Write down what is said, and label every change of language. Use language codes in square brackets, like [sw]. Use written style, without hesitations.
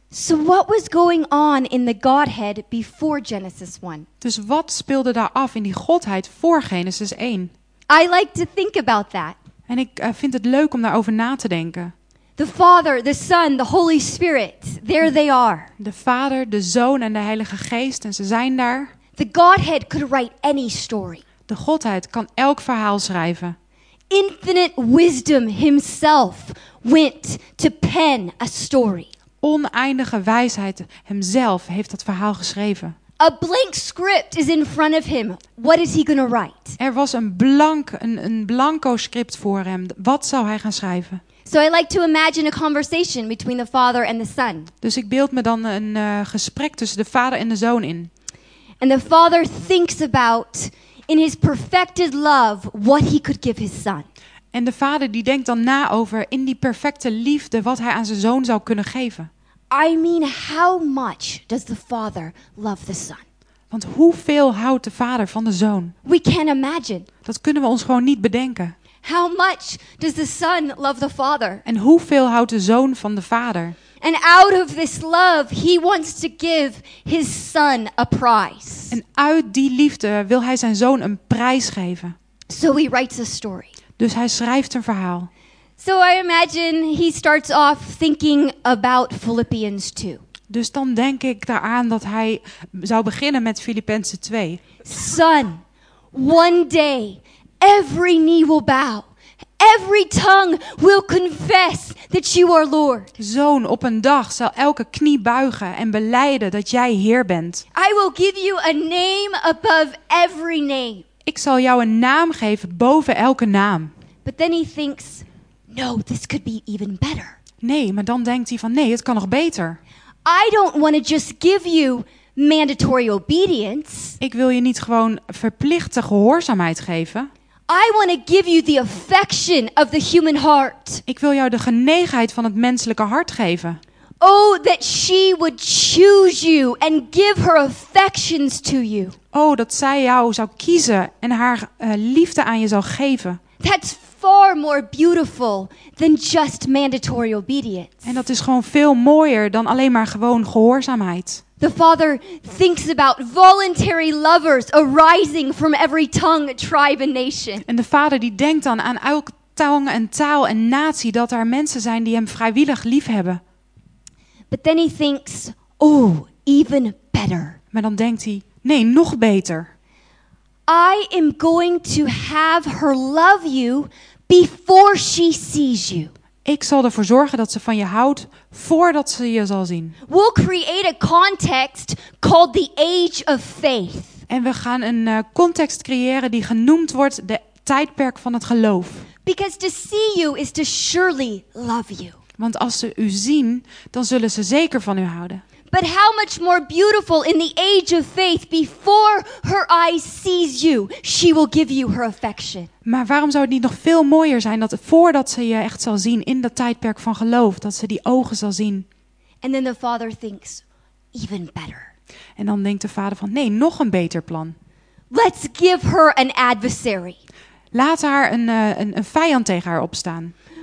[en] So what was going on in the Godhead before Genesis 1? [nl] Dus wat speelde daar af in die godheid voor Genesis 1? [en] I like to think about that. [nl] En ik vind het leuk om daarover na te denken. [en] The Father, the Son, the Holy Spirit, there they are. [nl] De Vader, de Zoon en de Heilige Geest en ze zijn daar. [en] The Godhead could write any story. [nl] De Godheid kan elk verhaal schrijven. [en] Infinite wisdom himself went to pen a story. [nl] Oneindige wijsheid hemzelf heeft dat verhaal geschreven. [en] A blank script is in front of him. What is he going to write? [nl] Er was een blanco script voor hem. Wat zou hij gaan schrijven? [en] So I like to imagine a conversation between the Father and the Son. [nl] Dus ik beeld me dan een gesprek tussen de Vader en de Zoon in. [en] And the Father thinks about in his perfected love what he could give his son. [nl] En de Vader die denkt dan na over in die perfecte liefde wat hij aan zijn zoon zou kunnen geven. [en] I mean, how much does the Father love the Son? [nl] Want hoeveel houdt de Vader van de Zoon? [en] We can't imagine. [nl] Dat kunnen we ons gewoon niet bedenken. [en] How much does the Son love the Father? [nl] En hoeveel houdt de Zoon van de Vader? [en] And out of this love, he wants to give his son a prize. [nl] En uit die liefde wil hij zijn zoon een prijs geven. [en] So he writes a story. [nl] Dus hij schrijft een verhaal. [en] So I imagine he starts off thinking about Philippians 2. [nl] Dus dan denk ik daaraan dat hij zou beginnen met Filippenzen 2. [en] Son, one day every knee will bow. Every tongue will confess that you are Lord. [nl] Zoon, op een dag zal elke knie buigen en belijden dat jij Heer bent. [en] I will give you a name above every name. [nl] Ik zal jou een naam geven boven elke naam. [en] But then he thinks, no, this could be even better. [nl] Nee, maar dan denkt hij van, nee, het kan nog beter. [en] I don't want to just give you mandatory obedience. [nl] Ik wil je niet gewoon verplichte gehoorzaamheid geven. [en] I want to give you the affection of the human heart. [nl] Ik wil jou de genegenheid van het menselijke hart geven. [en] Oh, that she would choose you and give her affections to you. [nl] Oh, dat zij jou zou kiezen en haar liefde aan je zou geven. [en] That's far more beautiful than just mandatory obedience. [nl] En dat is gewoon veel mooier dan alleen maar gewoon gehoorzaamheid. [en] The Father thinks about voluntary lovers arising from every tongue, tribe and nation. [nl] En de Vader die denkt dan aan elke tong en taal en natie dat er mensen zijn die hem vrijwillig lief hebben. [en] But then he thinks, oh, even better. [nl] Maar dan denkt hij, nee, nog beter. [en] I am going to have her love you before she sees you. [nl] Ik zal ervoor zorgen dat ze van je houdt voordat ze je zal zien. [en] We'll create a context called the age of faith. [nl] En we gaan een context creëren die genoemd wordt de tijdperk van het geloof. [en] Because to see you is to surely love you. [nl] Want als ze u zien, dan zullen ze zeker van u houden. [en] But how much more beautiful in the age of faith before her eyes sees you, she will give you her affection. [nl] Maar waarom zou het niet nog veel mooier zijn dat voordat ze je echt zal zien in dat tijdperk van geloof, dat ze die ogen zal zien. [en] And then the father thinks, even better. [nl] En dan denkt de vader van, nee, nog een beter plan. [en] Let's give her an adversary. [nl] Laat haar een vijand tegen haar opstaan.